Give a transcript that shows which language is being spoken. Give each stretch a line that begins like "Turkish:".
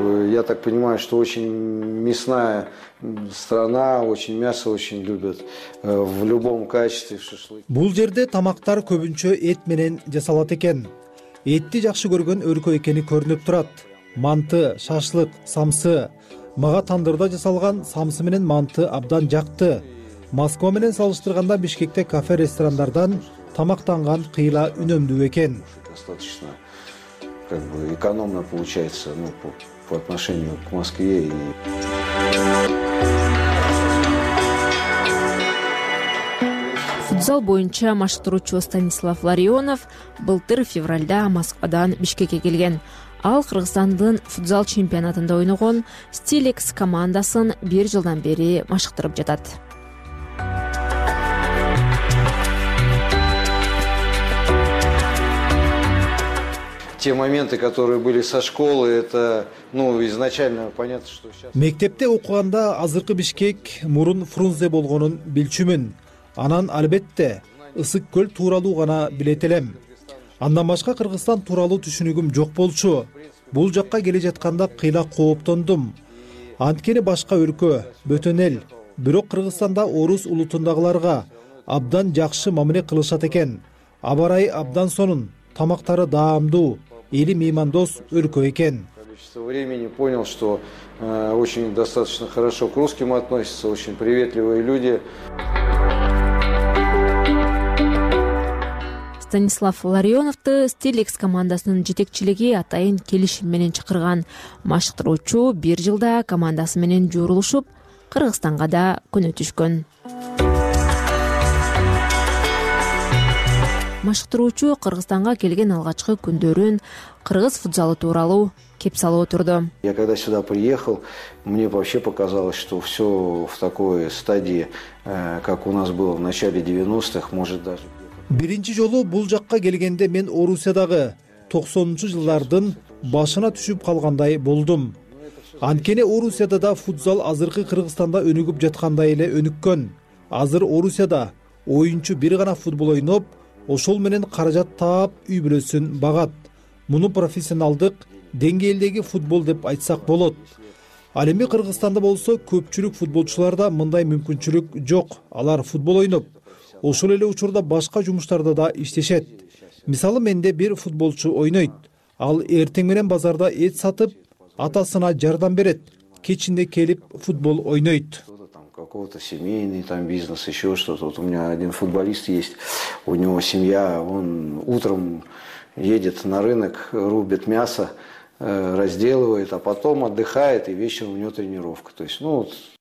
Russian: Я так понимаю, что очень мясная страна, очень мясо очень любят в любом качестве шашлык.
Kyrgyz: Бул жерде тамактар көбүнчө эт менен жасалат экен. Этти жакшы көргөн өлкө экени көрүнүп турат. Манты, шашлык, самсы. Мага тандырда жасалган самсы менен манты абдан жакты. Москва менен салыштырганда Бишкекте кафе ресторандардан тамактанган кыйла үнөмдүү экен.
Russian: Достаточно экономно получается, по отношению к Москве.
Kyrgyz: Футзал Футзал бойынша маштыруучу Станислав Ларионов былтыр февральда Москвадан Бишкекке келген. Ал Кыргызстандын футзал чемпионатында ойногон Стилекс командасын бир жылдан бери машыктырып жатат.
Russian: Те моменты, которые были со школы, это, ну, изначально понятно, что сейчас...
Kyrgyz: Мектепте окуганда азыркы Бишкек мурун Фрунзе болгонун билчүмүн. Анан албетте Ысык Көл тууралуу гана билет элем. Андан башка Кыргызстан тууралуу түшүнүгүм жок болчу. Бул жакка келе жатканда кыйла кооптондум. Анткени башка өлкө, бөтөн эл, бирок Кыргызстанда орус улутундагыларга абдан жакшы мамиле кылышат экен. Абарай абдан сонун, тамактары даамдуу, эли меймандос өлкө экен.
Russian: Времени понял, что очень достаточно хорошо к русским относятся, очень приветливые люди.
Kyrgyz: Станислав Ларионовту Стилекс командасынын жетекчилиги атайын келишим менен чакырган. Маштыруучу бир жылда командасы менен жоорулушуп, Кыргызстанга да көнөтүшкөн. Маштыруучу Кыргызстанга келген алгачкы күндөрүн кыргыз футзалы тууралуу кеп салып отурду.
Russian: Я когда сюда приехал, мне вообще показалось, что все в такой стадии, как у нас было в начале 90-х, может даже...
Kyrgyz: Биринчи жолу бул жакка келгенде мен Орусиядагы 90-жылдардын башына түшүп калгандай болдум. Анткени Орусияда да футзал азыркы Кыргызстанда өнүгүп жаткандай эле өнүккөн. Азыр Орусияда оюнчу бир гана футбол ойноп, ошол менен каражат таап үй бүлөсүн багат. Муну профессионалдык деңгээлдеги футбол деп айтсак болот. Ал эми Кыргызстанда болсо көпчүлүк футболчуларда мындай мүмкүнчүлүк жок. Алар футбол ойноп, ошол эле учурда башка жумуштарда да иштешет. Мисалы, менде бир футболчу ойнойт. Ал эртең менен базарда эт сатып, атасына жардам берет. Кечинде келип футбол ойнойт.
Russian: Какого-то семейный там бизнес, еще что-то. Вот у меня один футболист есть, у него семья, он утром едет на рынок, рубит мясо, разделывает, а потом отдыхает, и вечером у него тренировка. То есть, ну вот...